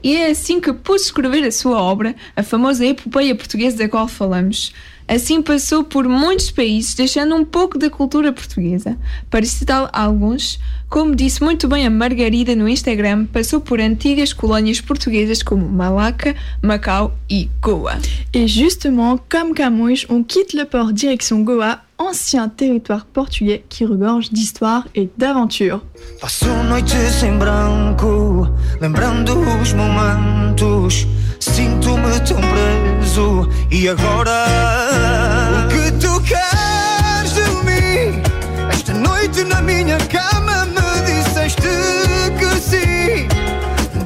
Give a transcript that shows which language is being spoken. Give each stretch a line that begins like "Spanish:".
Portuguese: E é assim que pôde escrever a sua obra, a famosa epopeia portuguesa da qual falamos. Assim passou por muitos países, deixando um pouco da cultura portuguesa. Para citar alguns, como disse muito bem a Margarida no Instagram, passou por antigas colónias portuguesas como Malaca, Macau e Goa.
French: E justement, comme Camões, on quitte le port direction Goa, ancien territoire portugais qui regorge d'histoire et d'aventure.
Portuguese: Passo noites em branco, lembrando os momentos. Sinto-me tão preso. E agora? O que tu queres de mim? Esta noite na minha cama me disseste que sim.